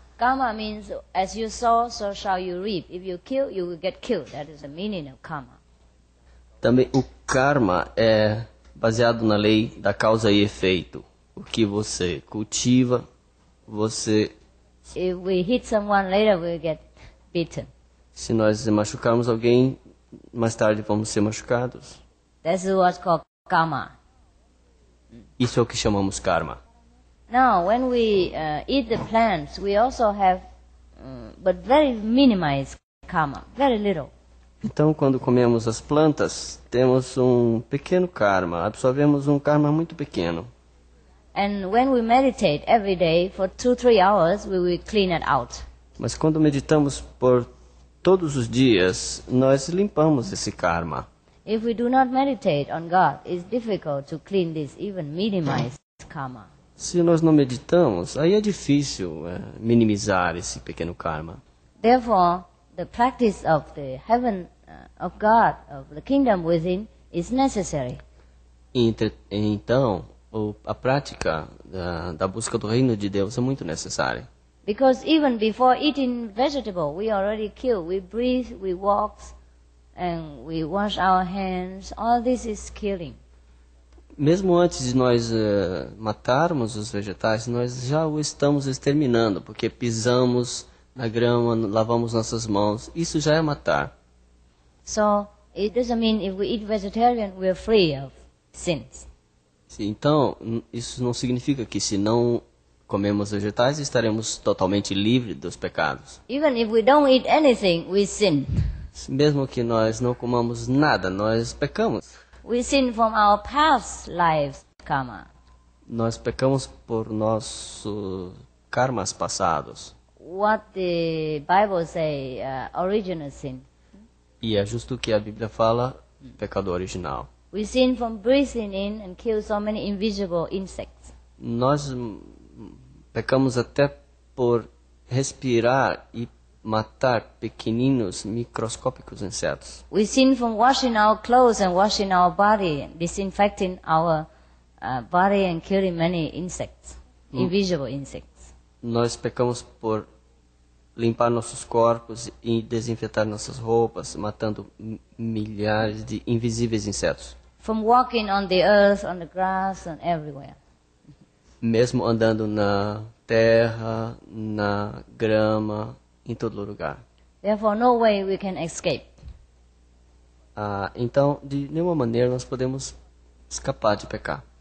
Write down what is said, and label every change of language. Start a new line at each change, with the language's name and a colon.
English: Karma means, as you sow, so shall you reap. If you kill, you will get killed. That is the meaning of karma.
Portuguese: Também o karma é baseado na lei da causa e efeito. O que você cultiva, você...
English: If we hit someone later, we'll get beaten.
Portuguese: Se nós machucarmos alguém, mais tarde vamos ser machucados.
English: This is what's called karma.
Portuguese: Isso é o que chamamos karma.
English: Now, when we eat the plants, we also have, but very minimized karma, very little.
Portuguese: Então, quando comemos as plantas, temos pequeno karma, absorvemos karma muito pequeno.
English: And when we meditate every day for 2-3 hours, we will clean it out.
Portuguese: Mas quando meditamos por todos os dias, nós limpamos esse karma.
English: If we do not meditate on God, it's difficult to clean this even minimized karma.
Portuguese: Se nós não meditamos, aí é difícil minimizar esse pequeno karma.
English: Therefore, the practice of the heaven of God, of the kingdom within, is necessary.
Portuguese: Então, a prática da busca do reino de Deus é muito necessária.
English: Because even before eating vegetable, we already kill. We breathe, we walk, and we wash our hands. All this is killing.
Portuguese: Mesmo antes de nós matarmos os vegetais, nós já o estamos exterminando, porque pisamos na grama, lavamos nossas mãos. Isso já é matar.
English: So, it doesn't mean if we eat vegetarian, we are free of sins.
Portuguese: Então, isso não significa que se não comemos vegetais, estaremos totalmente livres dos pecados.
English: Even if we don't eat anything, we sin.
Portuguese: Mesmo que nós não comamos nada, nós pecamos.
English: We sin from our past lives, karma.
Portuguese: Nós pecamos por nossos karmas passados.
English: What the Bible say, original sin.
Portuguese: E é justo o que a Bíblia fala, pecado original.
English: We sin from breathing in and kill so many invisible insects.
Portuguese: Nós pecamos até por respirar e matar pequeninos microscópicos insetos.
English: We sin from washing our clothes and washing our body, disinfecting our body and killing many insects, invisible insects.
Portuguese: Nós pecamos por limpar nossos corpos e desinfetar nossas roupas, matando milhares de invisíveis insetos.
English: From walking on the earth, on the grass, and everywhere.
Portuguese: Mesmo andando na terra, na grama, em todo lugar.
English: Therefore, no way we can escape.
Portuguese: Então, de nenhuma maneira nós podemos escapar de pecar.